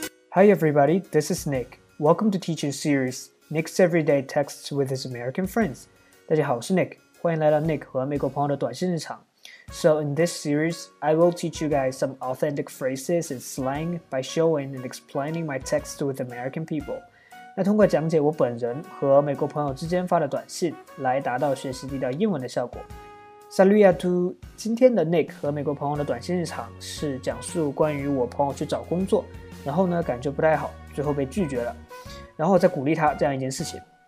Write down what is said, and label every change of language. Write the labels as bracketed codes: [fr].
[en] Hi everybody, this is Nick. Welcome to teaching series, Nick's Everyday Texts with his American Friends. [zh] 大家好，我是 Nick， 欢迎来到 Nick 和美国朋友的短信日常。 [en] So in this series, I will teach you guys some authentic phrases and slang by showing and explaining my texts with American people. [zh] 那通过讲解我本人和美国朋友之间发的短信，来达到学习地道英文的效果。 [fr] Salut à tous! [zh] 今天的 Nick 和美国朋友的短信日常是讲述关于我朋友去找工作，然后呢感觉不太好，最后被拒绝了，然后再鼓励他这样一件事情。